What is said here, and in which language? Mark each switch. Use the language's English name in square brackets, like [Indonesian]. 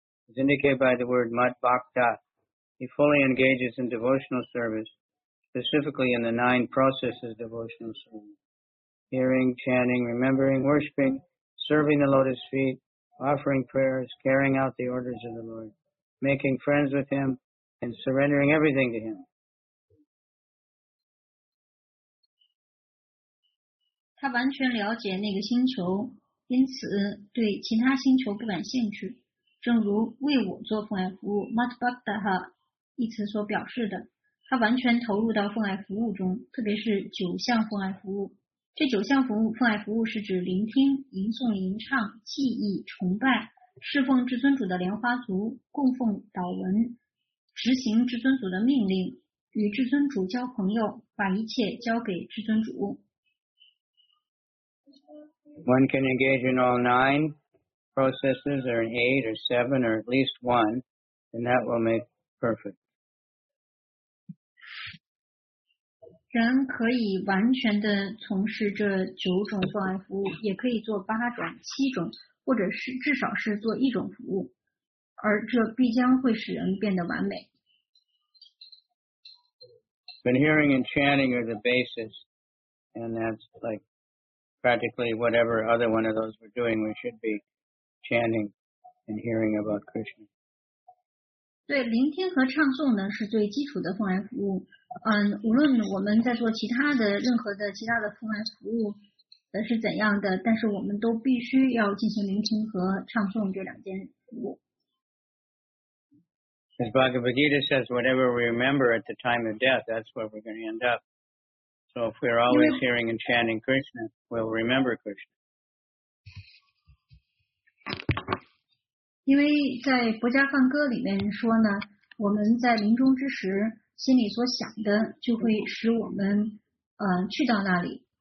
[English] As indicated by the word Mat Bhakta, he fully engages in devotional service, specifically in the nine processes of devotional service: hearing, chanting, remembering, worshiping, serving the lotus feet, offering prayers, carrying out the orders of the Lord, making friends with Him, and surrendering everything to Him. [Chinese] 他完全了解那个星球，因此对其他星球不感兴趣，正如为我做奉爱服务 Mat Bhakta 一词所表示的，他完全投入到奉爱服务中，特别是九项奉爱服务。这九项服务，奉爱服务是指聆听、吟诵、吟唱、记忆、崇拜、侍奉至尊主的莲花足、供奉祷文、执行至尊主的命令、与至尊主交朋友、把一切交给至尊主。 [English] One can engage in all nine processes, or in eight, or seven, or at least one, and that will make perfect. [Chinese] 人可以完全地从事这九种奉爱服务，也可以做八种、七种，或者是至少是做一种服务，而这必将会使人变得完美。 [English] But hearing and chanting are the basis, and that's like,practically whatever other one of those we're doing, we should be chanting and hearing about Krishna. [Chinese] 对，聆听和唱诵呢是最基础的奉爱服务。无论我们在做其他的任何的其他的奉爱服务是怎样的，但是我们都必须要进行聆听和唱诵这两件服务。 [English] As Bhagavad Gita says, whatever we remember at the time of death, that's where we're going to end up. So if we're always hearing and chanting Krishna, we'll remember Krishna. [Chinese] 因为在佛家梵歌里面说呢，我们在临终之时心里所想的就会使我们去到那里。